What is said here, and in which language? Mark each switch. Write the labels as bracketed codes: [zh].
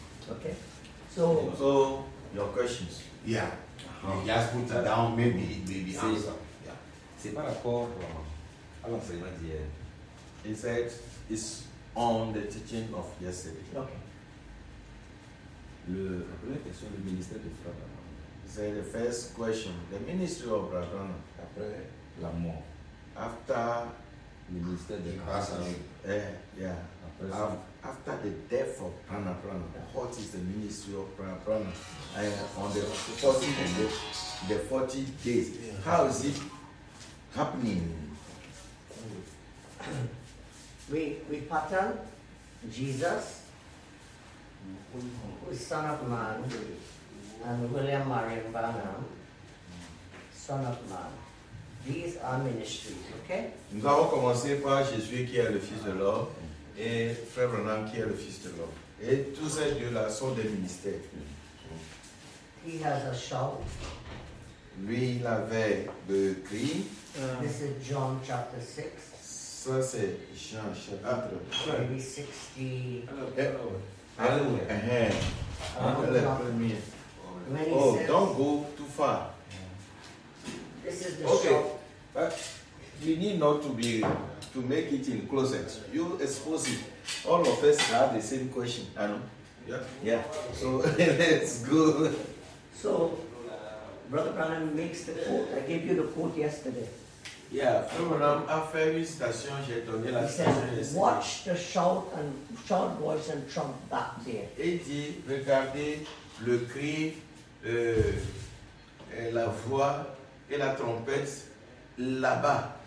[en] Okay? So, your questions. Yeah. Uh-huh. You just put it down, maybe answer. See, yeah. [fr] C'est pas d'accord, vraiment. Alors, il m'a dit, [en] he said, it's on the teaching of yesterday. Okay. [fr] La première question du ministère de Frère Branham. [en] C'est the first question. The ministry of Frère Branham. [fr] Après la mort. [en] After [fr] le ministère de Branham. [en] Yeah. After the death of Branham, what is the ministry of Branham? On the 40 days. How is it happening? We pattern Jesus, who is Son of Man, and William Marion Branham, Son of Man. These are ministries, okay? [fr] Nous avons commencé par Jésus qui est le Fils de l'homme et Frère Branham qui est le Fils de l'homme. Et tous ces deux-là sont des ministères. [en] He has a shout. [fr] Lui, il avait le cri. [en] This is John chapter 6. [fr] Ça, c'est Jean chapitre 6. [en] Maybe 60. Don't go too far. This is the shout. But you need not to make it in closet. You expose it. All of us have the same question. I know. Yeah. So let's go. So, Brother Branham makes the quote. I gave you the quote yesterday. [fr] Yeah. Frère Branham a fait une citation. J'ai donné la citation. [en] He said, "Watch the shout and shout voice and trump back there." [fr] Il dit, regardez le cri, la voix et la trompette là-bas.